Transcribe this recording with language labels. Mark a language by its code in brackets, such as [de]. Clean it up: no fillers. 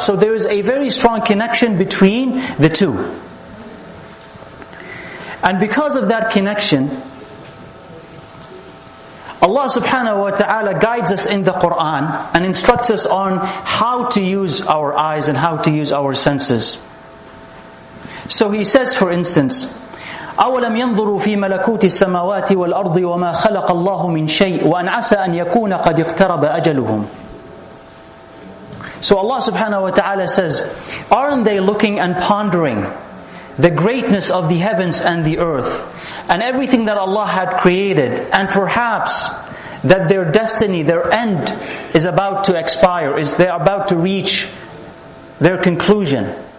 [en] So there is a very strong connection between the two. And because of that connection, Allah subhanahu wa ta'ala guides us in the Quran and instructs us on how to use our eyes and how to use our senses. So he says, for instance, [ar] أَوَلَمْ يَنْظُرُوا فِي مَلَكُوتِ السَّمَاوَاتِ وَالْأَرْضِ وَمَا خَلَقَ اللَّهُ مِنْ شَيْءٍ وَأَنْ عَسَىٰ أَنْ يَكُونَ قَدْ اِقْتَرَبَ أَجَلُهُمْ. [en] So Allah subhanahu wa ta'ala says, aren't they looking and pondering the greatness of the heavens and the earth and everything that Allah had created, and perhaps that their destiny, their end is about to expire, is they're about to reach their conclusion.